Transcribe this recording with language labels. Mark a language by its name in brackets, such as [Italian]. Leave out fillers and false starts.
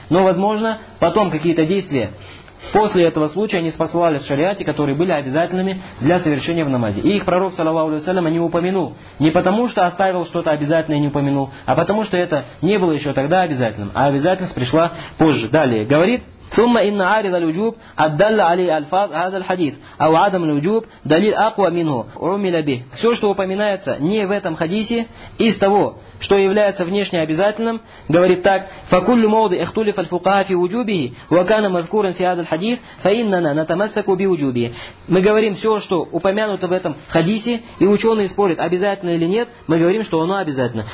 [Russian] Но, возможно, потом какие-то действия после этого случая не спасали в шариате, которые были обязательными для совершения в намазе. И их пророк, саллаллаху алейхи ва саллям, не упомянул. Не потому, что оставил что-то обязательное и не упомянул, а потому, что это не было еще тогда обязательным. А обязательность пришла позже. Далее, говорит [Arabic] ثم إن عارض الوجوب الدل عليه ألفاظ هذا الحديث أو عدم الوجوب دليل أقوى منه عمل به. [Russian] Все, что упоминается не в этом хадисе, из того, что является внешне обязательным, говорит так: [Arabic] فكل موضع اختلف الفقهاء في وجوبه وكان مذكورا في هذا الحديث فإننا نتمسك بوجوبه. [Russian] Мы говорим, все, что упомянуто в этом хадисе, и ученые спорят, обязательно или нет, мы говорим, что оно обязательно.